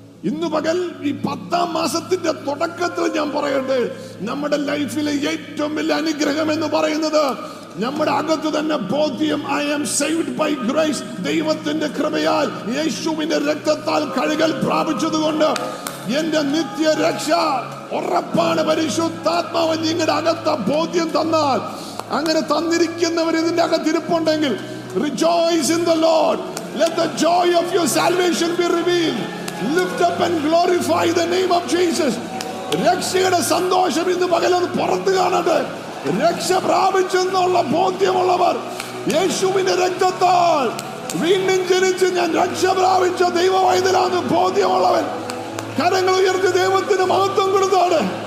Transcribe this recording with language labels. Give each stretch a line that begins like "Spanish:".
Malayalam: ഇന്നു പകൽ ഈ പത്താം മാസത്തിന്റെ തുടക്കത്തിൽ ഞാൻ പറയട്ടെ, നമ്മുടെ ലൈഫിലെ ഏറ്റവും വലിയ അനുഗ്രഹം എന്ന് പറയുന്നത് നമ്മുടെ അകത്ത് തന്നെ ബോധ്യം, I am saved by grace, ദൈവത്തിന്റെ കൃപയാൽ, യേശുവിന്റെ രക്തത്താൽ കഴുകൽ പ്രാപിച്ചതുകൊണ്ട് എന്റെ നിത്യ രക്ഷ ഉറപ്പാണ്. പരിശുദ്ധാത്മാവ് നിങ്ങളുടെ അകത്ത് ബോധ്യം തന്നാൽ, അങ്ങനെ തന്നിരിക്കുന്നവർ ഇതിന്റെ അകത്തിരിപ്പുണ്ടെങ്കിൽ,
English: Rejoice in the Lord. Let the joy of your salvation be revealed. Lift up and glorify the name of Jesus.
Malayalam: രക്ഷയുടെ സന്തോഷം ഇന്ന് പകലൊന്ന് പുറത്തു കാണട്ടെ. രക്ഷ പ്രാപിച്ചെന്നുള്ള ബോധ്യമുള്ളവർ യേശുവിന്റെ രക്തത്താൽ വീണ്ടും ജനിച്ച് ഞാൻ രക്ഷ പ്രാപിച്ച ദൈവവൈദ്യനാണ് ബോധ്യമുള്ളവൻ, കരങ്ങൾ ഉയർത്തി ദൈവത്തിന് മഹത്വം കൊടുത്താണ്.